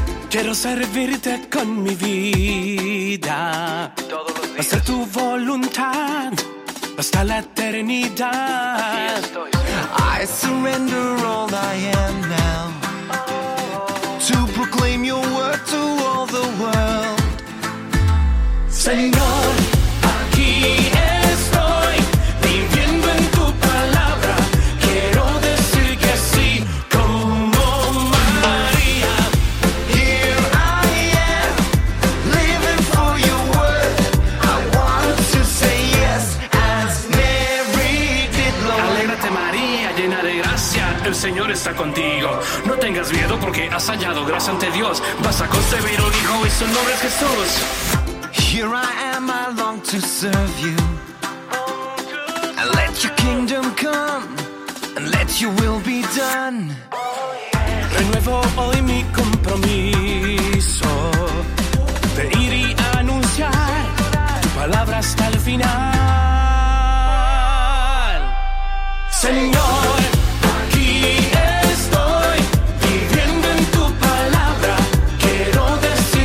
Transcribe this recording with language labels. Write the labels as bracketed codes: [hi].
[es] Quiero servirte con mi vida, hasta tu voluntad, hasta la eternidad. [en] I surrender all I am now, to proclaim your word to all the world. [es] Señor, aquí estoy, viviendo en tu palabra. Quiero decir que sí, como María. [en] Here I am, living for your word. I want to say yes, as Mary did, Lord. [es] Alégrate, María, llena de gracia. El Señor está contigo. No tengas miedo porque has hallado gracia ante Dios. Vas a concebir un hijo y su nombre es Jesús. [en] Here I am, I long to serve you, and let your kingdom come, and let your will be done. [es] Renuevo hoy mi compromiso, de ir y anunciar, tu palabra hasta el final. Señor, aquí estoy, viviendo en tu palabra, quiero decir.